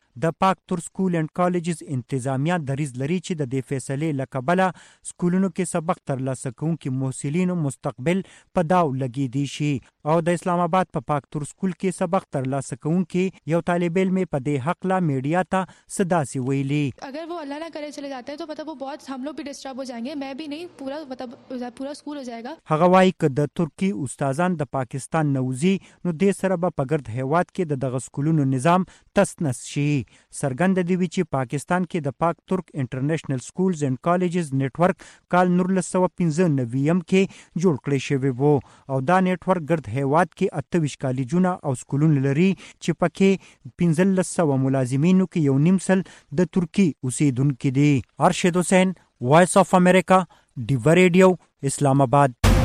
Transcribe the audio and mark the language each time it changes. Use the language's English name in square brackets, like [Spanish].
[Pashto] د پاک تور سکول اینڈ کالجز انتظامیہ دریز لری چې د دې فیصلې له کبله سکولونو کې سبق ترلاسه کوونکي محصلینو مستقبل په داو لګې دي شي او د اسلام آباد په پاک تور سکول کې سبق ترلاسه کوونکي یو طالب علم په دې حق لا میډیا ته صدا سی ویلي، [Urdu] اگر وہ اللہ نہ کرے چلے جاتے ہیں تو مطلب وہ بہت ہم لوگ بھی ڈسٹرب ہو جائیں گے، میں بھی نہیں پورا مطلب پورا سکول ہو جائے گا۔ [Pashto] هغه وایي ک د ترکی استادان د پاکستان نوزی نو دې سره به پګرد هیواد کې د دغه سکولونو نظام تس نس شي۔ سرګند دی چې پاکستان کې د پاک ترک انټرنیشنل سکولز اینڈ کالجز نیټورک کال 1995 کې جوړ کړی شوی وو او دا نیټورک ګرد هیواد کې 28 کالجونه او سکولونه لري چې پکې 1500 ملازمینو کې یو نیم سل د ترکی اوسیدونکو دی۔ ارشد حسین، وایس آف امریکا، ډیو ریډیو، اسلام آباد۔